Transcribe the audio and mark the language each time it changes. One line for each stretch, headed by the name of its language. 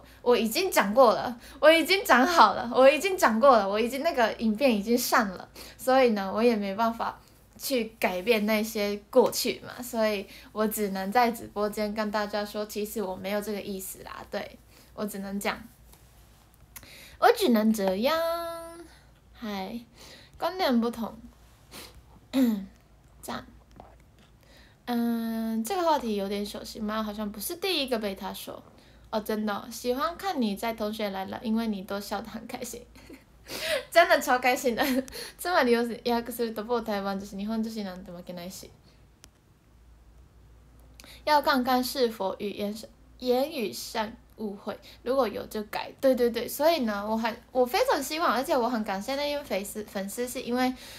Chinese: 我已经讲过了，我已经讲好了，我已经讲过了，我已经那个影片已经上了，所以呢，我也没办法去改变那些过去嘛，所以我只能在直播间跟大家说，其实我没有这个意思啦，对，我只能讲，我只能这样，嗨，观点不同，这样。这个话题有点熟悉吗？好像不是第一个被他说。哦，真的、哦，喜欢看你在同学来了，因为你都笑得很开心，真的超开心的。
Japanese: つまり要是訳すると、某台湾女子、日本女子なんて負けないし。
Chinese: 要看看是否言语上误会，如果有就改。对对对，所以呢，我非常希望，而且我很感谢那些粉丝，是因为。